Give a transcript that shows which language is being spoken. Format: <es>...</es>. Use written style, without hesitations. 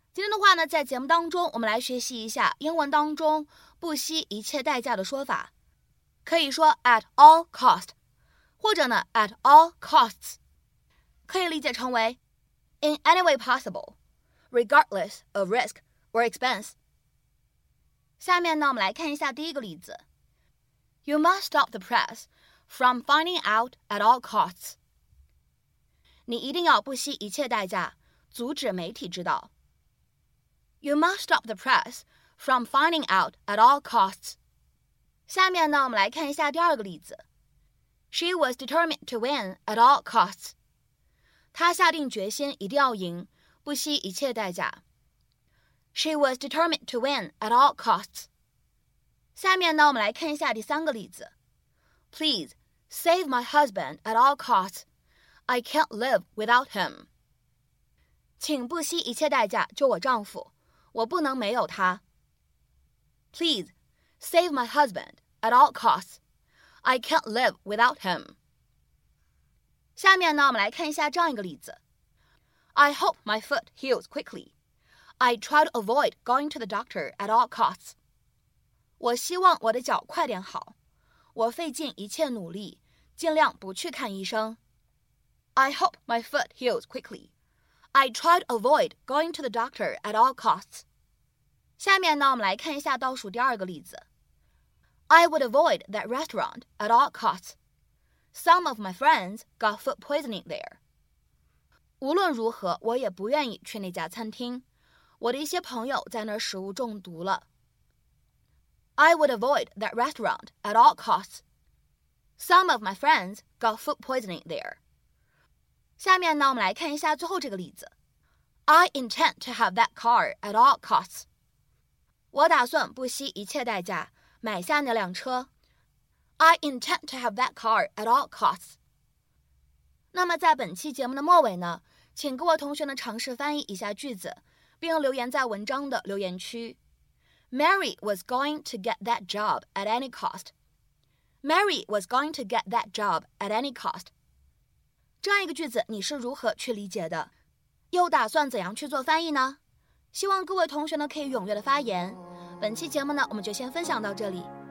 <zh>今天的话呢，在节目当中，我们来学习一下英文当中不惜一切代价的说法。可以说</zh> <en>at all cost,</en> <zh>或者呢</zh> <en>at all costs,</en> <zh>可以理解成为</zh> <en>in any way possible, regardless of risk or expense.</en> <zh>下面呢我们来看一下第一个例子。</zh> <en>You must stop the press from finding out at all costs.</en> <zh>你一定要不惜一切代价阻止媒体知道。</zh> <en>You must stop the press from finding out at all costs.</en> <zh>下面呢，我们来看一下第二个例子。</zh> <en>She was determined to win at all costs.</en> <zh>她下定决心一定要赢，不不惜一切代价。</zh> <en>She was determined to win at all costs.</en> <zh>下面呢，我们来看一下第三个例子。</zh> <en>Please, save my husband at all costs. I can't live without him.</en> <zh>请不惜一切代价救我丈夫，我不能没有他。</zh> <en>Please, save my husband at all costs. I can't live without him.</en> <zh>下面呢，我们来看一下这样一个例子。</zh> <en>I hope my foot heals quickly. I try to avoid going to the doctor at all costs.</en> <zh>我希望我的脚快点好。我费尽一切努力，尽量不去看医生。</zh> <en>I hope my foot heals quickly. I try to avoid going to the doctor at all costs.</en> <zh>下面呢，我们来看一下倒数第二个例子。</zh> <en>I would avoid that restaurant at all costs. Some of my friends got food poisoning there.</en> <zh>无论如何，我也不愿意去那家餐厅。我的一些朋友在那儿食物中毒了。</zh> <en>I would avoid that restaurant at all costs. Some of my friends got food poisoning there.</en> <zh>下面呢，我们来看一下最后这个例子。</zh> <en>I intend to have that car at all costs.</en> <zh>我打算不惜一切代价买下那辆车。</zh> <en>I intend to have that car at all costs.</en> <zh>那么在本期节目的末尾呢，请各位同学呢尝试翻译一下句子，并留言在文章的留言区。</zh> <en>Mary was going to get that job at any cost. Mary was going to get that job at any cost.</en> <zh>这样一个句子你是如何去理解的？又打算怎样去做翻译呢？希望各位同学呢可以踊跃的发言。本期节目呢，我们就先分享到这里。</zh>